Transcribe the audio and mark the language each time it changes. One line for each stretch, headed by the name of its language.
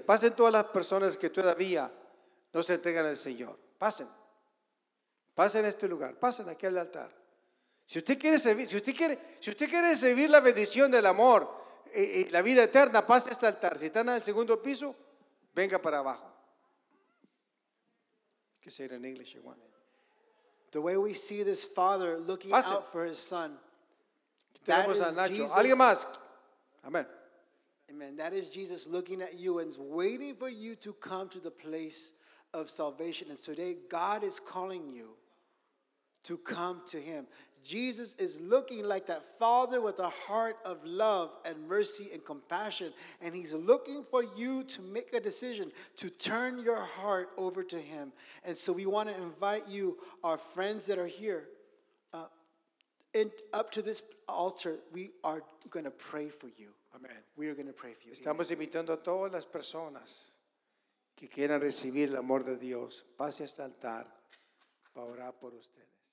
Spanish: Pasen todas las personas que todavía no se entregan al Señor. Pasen. Pasen a este lugar. Pasen aquí al altar. Si usted quiere servir, si usted quiere recibir la bendición del amor y la vida eterna, pase a este altar. Si están en el segundo piso, venga para abajo. ¿Qué será en inglés?
English: The way we see this father looking out for his son.
Spanish: Tenemos a Nacho. Jesus. ¿Alguien más? Amén.
English: Amen. That is Jesus looking at you and waiting for you to come to the place of salvation. And today God is calling you to come to him. Jesus is looking like that father with a heart of love and mercy and compassion. And he's looking for you to make a decision to turn your heart over to him. And so we want to invite you, our friends that are here, up to this altar. We are going to pray for you. Amen. We are going to pray for you.
Spanish: Estamos invitando a todas las personas que quieran recibir el amor de Dios. Pase a este altar para orar por ustedes.